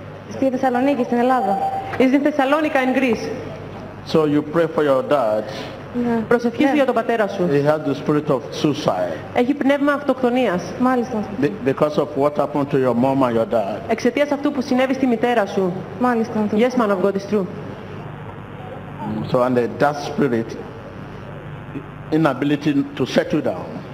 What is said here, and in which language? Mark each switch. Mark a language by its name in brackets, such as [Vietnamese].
[Greek] Στη Θεσσαλονίκη, στην Ελλάδα. [English] Is in Thessalonica in Greece. So you pray for your dad. [Greek] Ναι. Προσευχήσου για τον πατέρα σου. [English] He had the spirit of suicide. [Greek] Έχει πνεύμα αυτοκτονίας. Μάλιστα. [English] Because of what happened to your mom and your dad. [Greek] Εξαιτίας αυτού που συνέβη στη μητέρα σου. Μάλιστα. [English] Yes, man of God, is true. So and that spirit, inability to settle down.